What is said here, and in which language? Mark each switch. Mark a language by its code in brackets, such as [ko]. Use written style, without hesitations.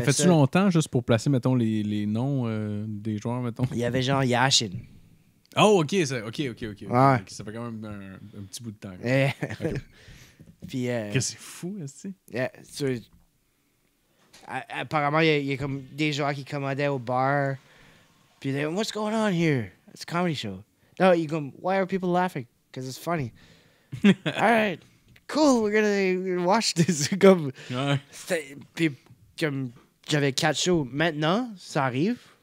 [fr] Ça fait-tu longtemps, juste pour placer, mettons, les noms des joueurs, mettons? Il y avait genre Yashin. Oh, OK, OK. Ouais. Ça fait quand même un petit bout de temps. Okay. Puis, que c'est fou, est-ce yeah, que apparemment, il y a comme des joueurs qui commandaient au bar. [en] Puis, they're like, what's going on here? It's a comedy show. No, you go, why are people laughing? Because it's funny. All right, cool, we're gonna watch this. [fr] Comme, ouais. Puis, comme j'avais 4 shows, maintenant, ça arrive.